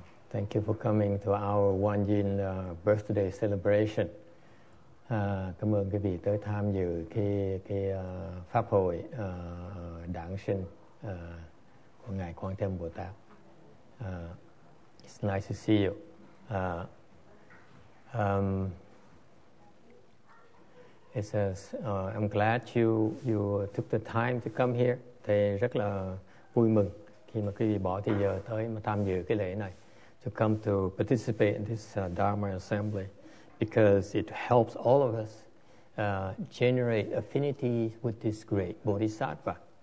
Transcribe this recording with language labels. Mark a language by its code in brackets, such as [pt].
[en] Thank you for coming to our Wan Yin birthday celebration. [vi] Cảm ơn quý vị tới tham dự cái pháp hội đảng sinh của Ngài Quan Thế Âm Bồ Tát. [en] It's nice to see you. I'm glad you took the time to come here. [vi] Thầy rất là vui mừng khi mà quý vị bỏ thời giờ tới mà tham dự cái lễ này, [en] to come to participate in this Dharma assembly, because it helps all of us generate affinity with this great Bodhisattva.